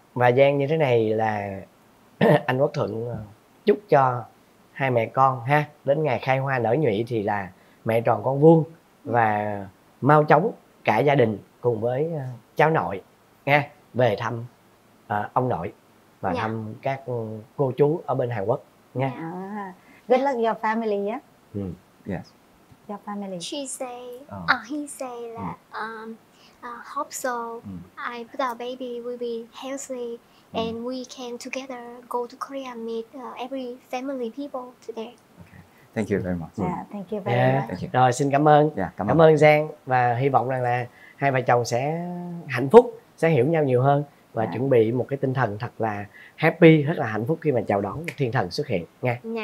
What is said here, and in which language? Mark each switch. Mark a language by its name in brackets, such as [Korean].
[Vietnamese] Và Giang như thế này là anh Quốc Thuận chúc cho hai mẹ con ha, đến ngày khai hoa nở nhụy thì là mẹ tròn con vuông, và mau chóng cả gia đình cùng với cháu nội nha về thăm ông nội và thăm các cô chú ở bên Hàn Quốc nha. [English] Good luck your family. Your family. She say, he say that hope so I put our baby will be healthy. And we can together go to Korea and meet every family people today. Okay. Thank you very much. Thank you very much. [Vietnamese] Rồi xin cảm ơn. Cảm ơn Giang, và hy vọng rằng là hai vợ chồng sẽ hạnh phúc, sẽ hiểu nhau nhiều hơn, và chuẩn bị một cái tinh thần thật là happy, rất là hạnh phúc khi mà chào đón thiên thần xuất hiện nha.